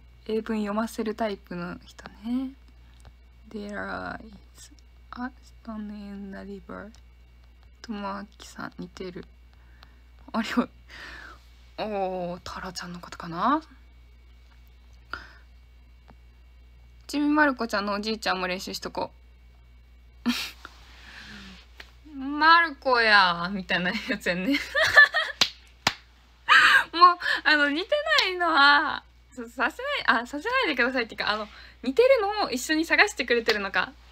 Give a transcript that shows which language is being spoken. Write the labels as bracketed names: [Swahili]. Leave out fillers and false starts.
[Japanese] 英文読ませるタイプの人ね。 [English] There is a storm in the river. [Japanese] ともあきさん、似てる。あれは、おー、タラちゃんのことかな。ちびまる子ちゃんのおじいちゃんも練習しとこう。まる子やーみたいなやつやね。もう、あの、似てないのは、させないでくださいっていうか、あの、似てるのを一緒に探してくれてるのか。